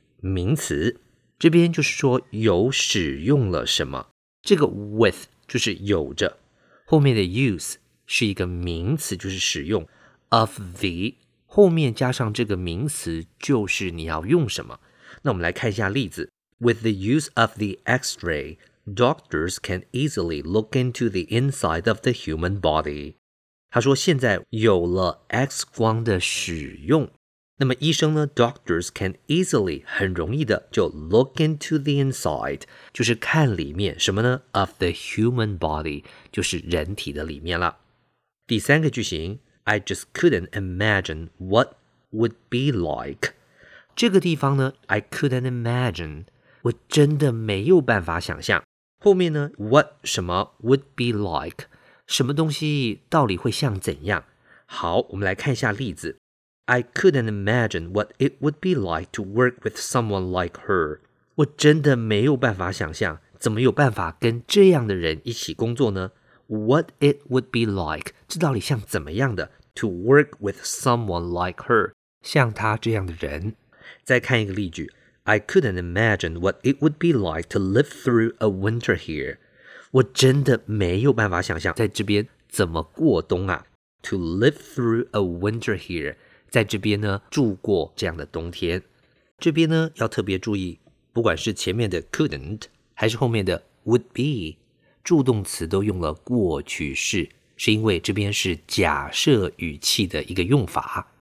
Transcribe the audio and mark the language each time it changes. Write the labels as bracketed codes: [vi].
[zh] 名词这边就是说有使用了什么这个 with 就是有着后面的 use 是一个名词就是使用 [en] of the [zh] 后面加上这个名词就是你要用什么那我们来看一下例子 [en] with the use of the x-rayDoctors can easily look into the inside of the human body. [zh] 他说现在有了 X 光的使用。那么医生呢 [en] ,Doctors can easily, [zh] 很容易的就 [en] look into the inside, [zh] 就是看里面什么呢 ? [en] of the human body, [zh] 就是人体的里面了。第三个句型 [en] ,I just couldn't imagine what would be like. [zh] 这个地方呢 , [en] I couldn't imagine, [zh] 我真的没有办法想象。后面呢 what 什么 [en] would be like [zh] 什么东西到底会像怎样好我们来看一下例子 [en] I couldn't imagine what it would be like to work with someone like her [zh] 我真的没有办法想象怎么有办法跟这样的人一起工作呢 [en] what it would be like [zh] 这到底像怎么样的 [en] to work with someone like her [zh] 像他这样的人再看一个例句 [en] I couldn't imagine what it would be like to live through a winter here. [zh] 我真的没有办法想象在这边怎么过冬啊。 [en] To live through a winter here. [zh] 在这边呢住过这样的冬天。这边呢要特别注意不管是前面的 couldn't, 还是后面的 would be, 助动词都用了过去式是因为这边是假设语气的一个用法。